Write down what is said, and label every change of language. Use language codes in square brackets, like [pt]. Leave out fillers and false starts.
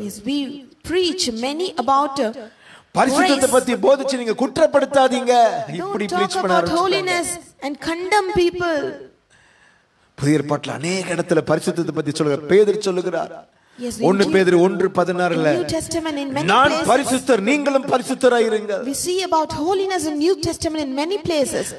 [en] Yes, we preach many about [ta] பரிசுத்தத்தை பத்தி போதிச்சு நீங்க குற்றப்படுத்தாதீங்க இப்படி ப்ரீச் பண்ணாரு. புதிய ஏற்பாட்டுல அநேக இடத்துல பரிசுத்தத்தை பத்தி சொல்லுற பேதர் சொல்லுகிறார். [en] Yes, [ta] 1 Peter 1:16 நான் பரிசுத்தர், நீங்களும் பரிசுத்தராய் இருங்கள். [en] We see about holiness in New Testament in many places.